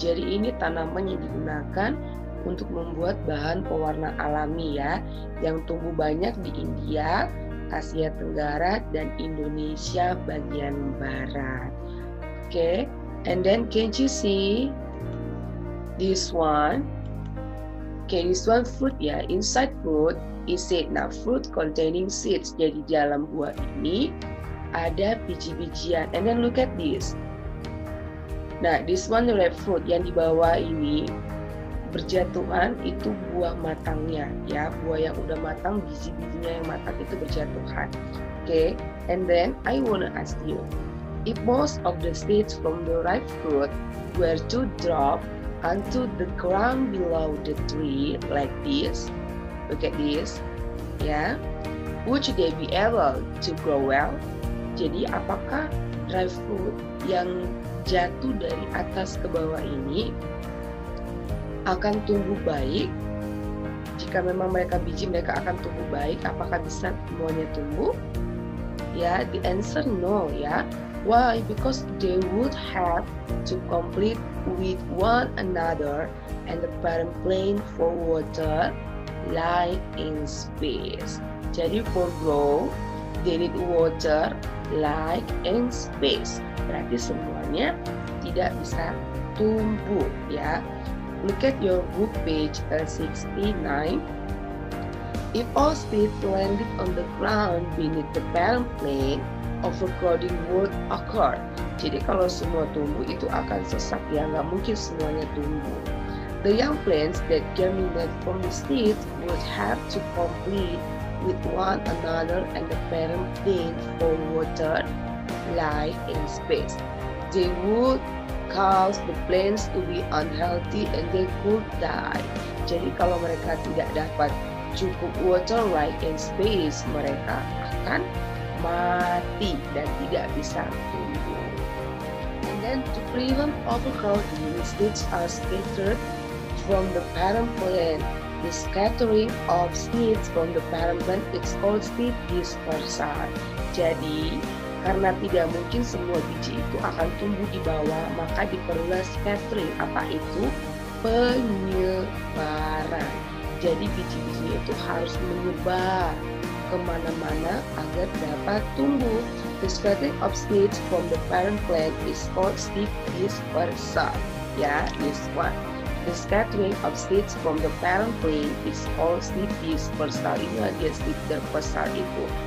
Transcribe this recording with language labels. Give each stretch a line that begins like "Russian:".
Indonesian: Jadi ini tanaman yang digunakan untuk membuat bahan pewarna alami, ya, yang tumbuh banyak di India, Asia Tenggara, dan Indonesia bagian barat.
English: Okay, and then can't you see this one? Okay, this one fruit, ya, yeah. Inside fruit is seed. Now fruit containing seeds.
Indonesian: Jadi di dalam buah ini ada biji-bijian.
English: And then look at this.
Indonesian: Nah,
English: this one red fruit
Indonesian: yang di bawah ini berjatuhan itu buah matangnya, ya, buah yang udah matang, biji-bijinya yang matang itu berjatuhan. Oke, okay.
English: And then I wanna ask you, if most of the seeds from the ripe fruit were to drop onto the ground below the tree like this, look at this, ya, yeah, would they be able to grow well?
Indonesian: Jadi apakah
English: ripe fruit
Indonesian: yang jatuh dari atas ke bawah ini akan tumbuh baik? Jika memang mereka biji, mereka akan tumbuh baik. Apakah bisa semuanya tumbuh?
English: Ya, yeah, the answer no, ya. Yeah. Why? Because they would have to compete with one another and the parent plant for water, light, and space. Jadi for grow, they need water, light, and space.
Indonesian: Berarti semuanya tidak bisa tumbuh, ya.
English: Yeah. Look at your book page 69. If all seeds landed on the ground beneath the parent plant, overcrowding would occur.
Indonesian: Jadi kalau semua tumbuh itu akan sesak, ya, nggak mungkin semuanya tumbuh.
English: The young plants that germinate from the seeds would have to compete with one another and the parent plant for water, light, and space. They would cause the plants to be unhealthy and they could die.
Indonesian: Jadi kalau mereka tidak dapat cukup
English: water, light, and space,
Indonesian: mereka akan mati dan tidak bisa tumbuh.
English: And then to prevent overcrowding, seeds are scattered from the parent plant. The scattering of seeds from the parent plant is called seed dispersal.
Indonesian: Jadi karena tidak mungkin semua biji itu akan tumbuh di bawah, maka diperlukan scattering. Apa itu? Penyebaran. Jadi biji-biji itu harus menyebar kemana-mana agar dapat tumbuh.
English: The scattering of seeds from the parent plant is called seed dispersal. Ya, this one. The scattering of seeds from the parent plant is called seed dispersal.
Indonesian: Ini adalah seed dispersal itu.